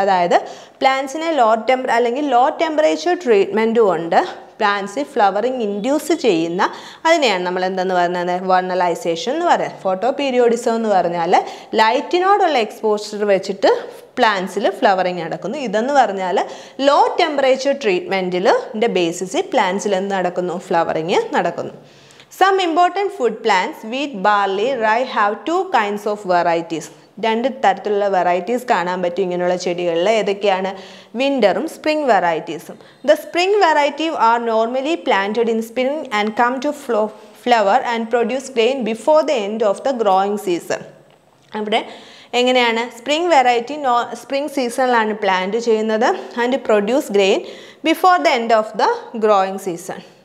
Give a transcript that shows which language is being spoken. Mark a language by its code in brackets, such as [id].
[ml] അതായത് പ്ലാന്റ്സിനെ law temper അല്ലെങ്കിൽ low temperature treatment കൊണ്ട് പ്ലാന്റ്സിൽ ഫ്ലവറിങ് ഇൻഡ്യൂസ് ചെയ്യുന്ന അതിനെയാണ് നമ്മൾ എന്തെന്ന് പറയുന്നത്, വെർണലൈസേഷൻ എന്ന് പറയുന്നത്. ഫോട്ടോ പീരിയോഡിസം എന്ന് പറഞ്ഞാൽ ലൈറ്റിനോടുള്ള എക്സ്പോഷർ വെച്ചിട്ട് പ്ലാന്റ്സിൽ ഫ്ലവറിങ് നടക്കുന്നു. ഇതെന്ന് പറഞ്ഞാൽ ലോ ടെമ്പറേച്ചർ ട്രീറ്റ്മെൻറ്റിൽ ബേസിസിൽ പ്ലാന്റ്സിൽ എന്ത് നടക്കുന്നു, ഫ്ലവറിങ് നടക്കുന്നു. Sir [en] Some important food plants, wheat, barley, rye have two kinds of varieties. [ml] രണ്ട് തരത്തിലുള്ള വെറൈറ്റീസ് കാണാൻ പറ്റും ഇങ്ങനെയുള്ള ചെടികളിൽ. ഏതൊക്കെയാണ്? വിൻ്ററും spring വെറൈറ്റീസും. [en] The spring variety are normally planted in spring and come to flower and produce grain before the end of the growing season. [ml] അവിടെ എങ്ങനെയാണ്? Spring variety spring സീസണിലാണ് plant ചെയ്യുന്നത് [en] And produce grain before the end of the growing season.